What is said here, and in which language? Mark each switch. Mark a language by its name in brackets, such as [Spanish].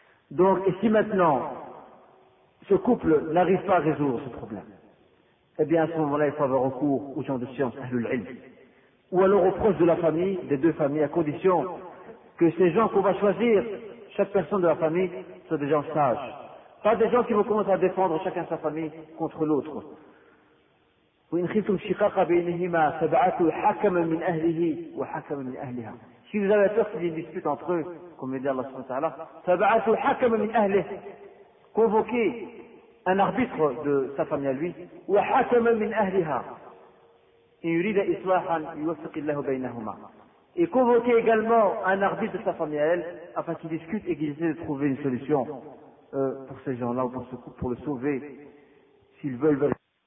[French] Donc, et si maintenant, ce couple n'arrive pas à résoudre ce problème, eh bien, à ce moment-là, il faut avoir recours aux gens de science, à l'ulil. Ou alors aux proches de la famille, des deux familles, à condition que ces gens qu'on va choisir, chaque personne de la famille, soient des gens sages. Pas des gens qui vont commencer à défendre chacun sa famille contre l'autre. [Arabic] وإن خفتم شقاق بينهما فبعثوا حكما من أهله وحكما من أهلها. [French] Si vous avez peur qu'il y ait une dispute entre eux, comme le dit Allah subhanahu wa ta'ala, فبعثوا حكما من أهله. Convoquez un arbitre de sa famille à lui. [Arabic] وحكما من أهلها. إن يريد إصلاحا يوفق الله بينهما. [French] Et convoquez également un arbitre de sa famille à elle, afin qu'il discute et qu'il essaie de trouver une solution pour ces gens-là ou pour ce couple, pour le sauver, s'ils veulent.